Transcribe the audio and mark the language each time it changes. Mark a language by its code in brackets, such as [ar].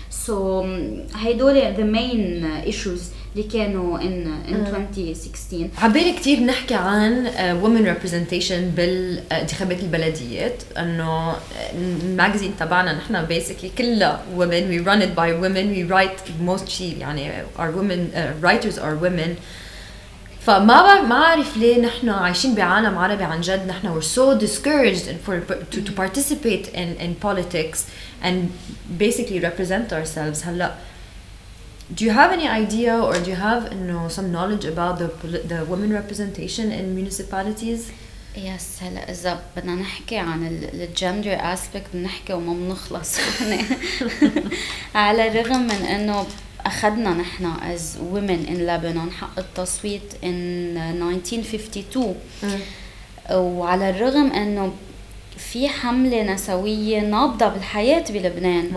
[en] so [ar] هيدول [en] the main issues [ar] اللي كانوا [en] in 2016. [ar] عبالي كتير نحكي عن [en] women representation [ar] بالانتخابات البلديات، أنه الماجزين تبعنا نحنا basically كلها women. [en] we run it by women. we write mostly يعني our women writers are women. [ar] فما ما عارف ليه نحن عايشين بعالم عربي عن جد نحن [en] we're so discouraged to participate in politics and basically represent ourselves. هلا do you have any idea or do you have some knowledge about the women representation in municipalities؟ yes. [ar] هلا إذا بدنا نحكي عن ال [en] gender aspect [ar] نحكي وما بنخلص على الرغم من إنه أخذنا نحنا [en] as women in Lebanon [ar] حق التصويت in 1952 وعلى الرغم أنه في حملة نسوية نابضة بالحياة بلبنان